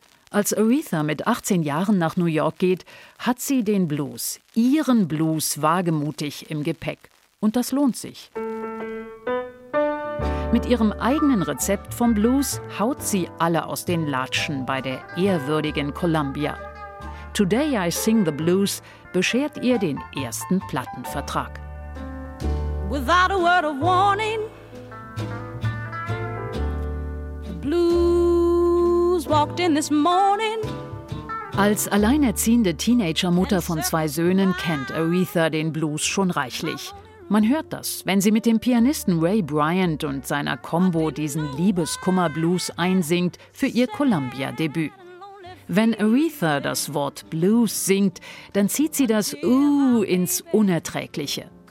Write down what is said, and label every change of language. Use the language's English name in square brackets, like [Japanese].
[German] Als Aretha mit 18 Jahren nach New York geht, hat sie den Blues, ihren Blues, wagemutig im Gepäck. Und das lohnt sich. Mit ihrem eigenen Rezept vom Blues haut sie alle aus den Latschen bei der ehrwürdigen Columbia. Today I Sing the Blues beschert ihr den ersten Plattenvertrag. [English] Without a word of warning, the blues walked in this morning. [German] Als alleinerziehende Teenager-Mutter von zwei Söhnen kennt Aretha den Blues schon reichlich. Man hört das, wenn sie mit dem Pianisten Ray Bryant und seiner Combo diesen Liebeskummer-Blues einsingt für ihr Columbia-Debüt. Wenn Aretha das Wort Blues singt, dann zieht sie das ins Unerträgliche.